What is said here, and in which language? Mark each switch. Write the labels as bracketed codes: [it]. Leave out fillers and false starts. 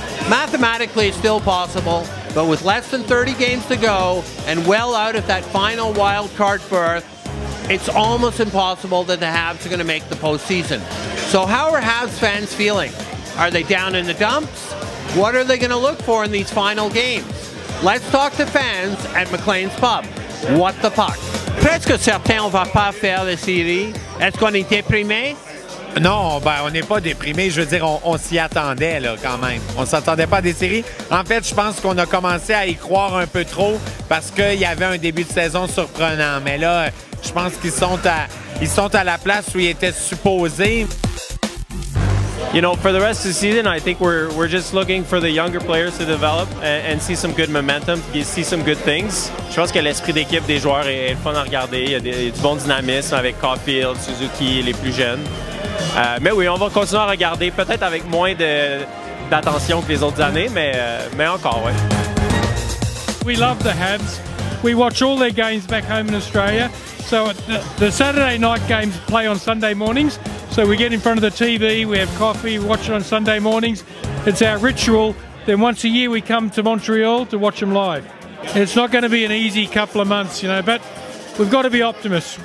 [en] Mathematically, it's still possible, but with less than 30 games to go and well out of that final wild card berth, it's almost impossible that the Habs are going to make the postseason. So how are Habs fans feeling? Are they down in the dumps? What are they going to look for in these final games? Let's talk to fans at McLean's Pub. What the puck? [fr] Presque certain, on va pas faire les séries. Est-ce qu'on est déprimé? Non, ben on n'est pas déprimé. Je veux dire, on s'y attendait là, quand même. On s'attendait pas à des séries. En fait, je pense qu'on a commencé à y croire un peu trop parce qu'il y avait un début de saison surprenant. Mais là, je pense qu'ils sont à la place où ils étaient supposés. [en] You know, for the rest of the season, I think we're just looking for the younger players to develop and see some good momentum, see some good things. [fr] Je pense que l'esprit d'équipe des joueurs est le fun à regarder. Il y a du bon dynamisme avec Caulfield, Suzuki, les plus jeunes. Mais oui, on va continuer à regarder, peut-être avec moins d'attention que les autres années, mais encore, oui. [en] We love the Habs. We watch all their games back home in Australia. So the Saturday night games play on Sunday mornings. So we get in front of the TV, we have coffee, we watch it on Sunday mornings. It's our ritual. Then once a year we come to Montreal to watch them live. It's not going to be an easy couple of months, you know, but we've got to be optimists.